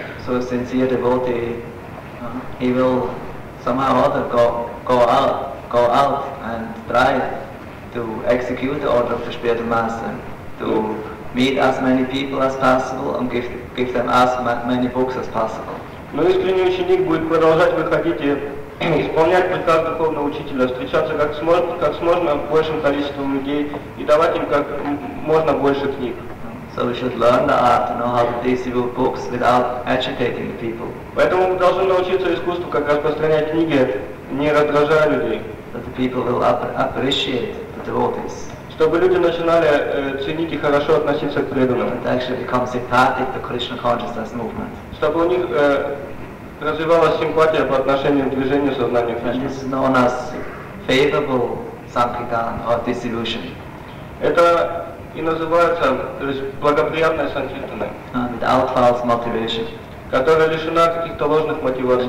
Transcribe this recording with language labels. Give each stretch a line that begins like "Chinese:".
English: So sincere devotee, he will somehow or other go out and try to execute the order of the Spirited Master, to meet as many people as possible and give them as many books as possible.
Russian: Но искренний ученик будет продолжать выходить и исполнять приказ духовного учителя, встречаться как можно большим количеством людей и давать им как можно больше книг.
English: So we should learn the art, know how to distribute books without agitating the people.
Russian: Поэтому мы должны научиться искусству, как распространять книги, не раздражая людей.
English: That the people will appreciate the devotees.
Russian: Чтобы люди начинали ценить и хорошо относиться к преданным.
English: And actually become sympathetic to Krishna consciousness movement.
Russian: Чтобы у них развивалась симпатия по отношению к движению сознания Кришны.
English: This is known as favorable sankirtan or dissolution.
Russian: Это и называется, то есть, благоприятная санкхиртана.
English: Without false motivation.
Russian: Которая лишена каких-то ложных мотиваций.